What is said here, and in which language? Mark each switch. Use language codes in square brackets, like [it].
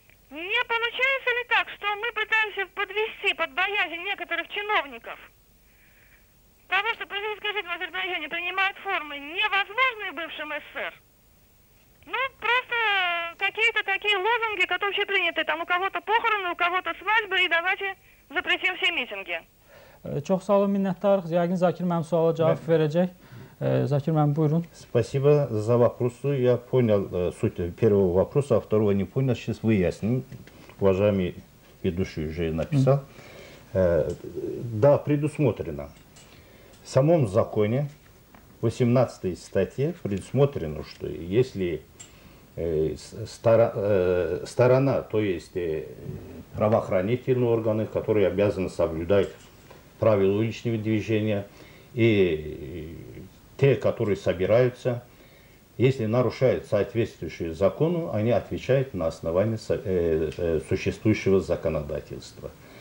[ru] Не получается ли так, что мы пытаемся подвести под боязнь некоторых чиновников того, что политическая жизнь в Азербайджане принимает формы невозможные бывшим СССР? Ну, просто какие-то такие лозунги, которые вообще приняты, там у кого-то похороны, у кого-то свадьбы, и давайте запретим все митинги. [az] Çox sağ olun, minnətdarıq. Yəqin Zakir müəllim suala cavab verəcək. Zakir müəllim, buyurun. [ru] Спасибо за вопрос. Я понял суть первого вопроса, а второго не понял. Сейчас выясним. Уважаемый ведущий уже написал. Да, предусмотрено. В самом законе, 18-й статье, предусмотрено, что если сторона, то есть правоохранительные органы, которые обязаны соблюдать правила уличного движения и те, которые собираются, если нарушают соответствующую закону, они отвечают на основании существующего законодательства.